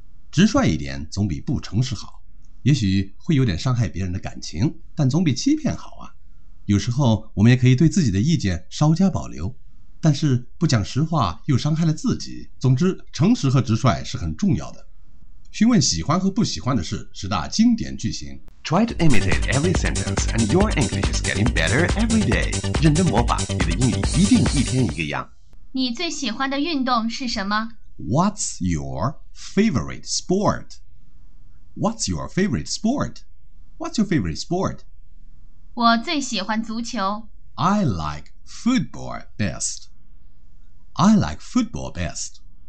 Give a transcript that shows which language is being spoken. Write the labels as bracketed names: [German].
[Chinese] 直率一点总比不诚实好，也许会有点伤害别人的感情，但总比欺骗好啊。有时候我们也可以对自己的意见稍加保留，但是不讲实话又伤害了自己。总之，诚实和直率是很重要的。询问喜欢和不喜欢的事，十大经典句型。 [English] Try to imitate every sentence and your English is getting better every day. [Chinese] 认真模仿，你的英语一定一天一个样。你最喜欢的运动是什么？ [English] What's your favorite sport? What's your favorite sport? What's your favorite sport? [Chinese] 我最喜欢足球。 [English] I like football best. I like football best.